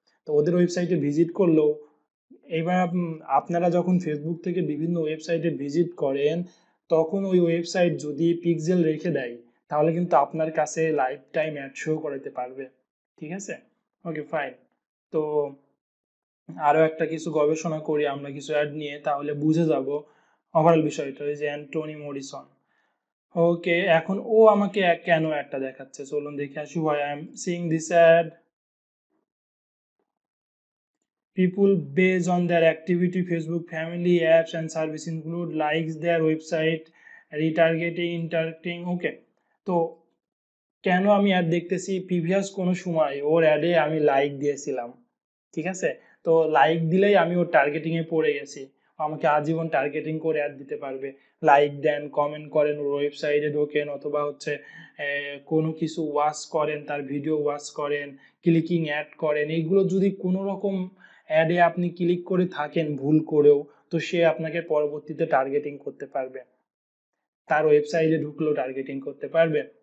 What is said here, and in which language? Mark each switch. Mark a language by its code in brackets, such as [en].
[bn] তো ওদের ওয়েবসাইটে ভিজিট করলো। এবার আপনারা যখন ফেসবুক থেকে বিভিন্ন ওয়েবসাইটে ভিজিট করেন, তখন ওই ওয়েবসাইট যদি পিক্সেল রেখে দেয় তাহলে কিন্তু আপনার কাছে লাইফ টাইম অ্যাড শো করাতে পারবে, ঠিক আছে? ওকে, ফাইন। তো আরও একটা কিছু গবেষণা করি আমরা কিছু অ্যাড নিয়ে, তাহলে বুঝে যাব ওভারঅল বিষয়টা। ওই যে অ্যান্টনি মরিসন। ওকে, এখন ও আমাকে কেন অ্যাডটা দেখাচ্ছে, চলুন দেখে আসি, [en] Why I am seeing this ad. People based on their activity, Facebook family, apps and service include likes, their website, retargeting, interacting. [bn] Okay, তো কেন আমি অ্যাড দেখতেছি, প্রিভিয়াস কোনো সময় ওর অ্যাডে আমি লাইক দিয়েছিলাম, ঠিক আছে? তো লাইক দিলেই আমি ওর টার্গেটিংয়ে পড়ে গেছি, আমাকে আজীবন টার্গেটিং করে অ্যাড দিতে পারবে। লাইক দেন, কমেন্ট করেন, ওর ওয়েবসাইটে ঢোকেন, অথবা হচ্ছে কোনো কিছু ওয়াচ করেন, তার ভিডিও ওয়াচ করেন, ক্লিকিং অ্যাড করেন, এইগুলো যদি কোনো রকম অ্যাডে আপনি ক্লিক করে থাকেন ভুল করেও, তো সে আপনাকে পরবর্তীতে টার্গেটিং করতে পারবে, তার ওয়েবসাইটে ঢুকলেও টার্গেটিং করতে পারবে।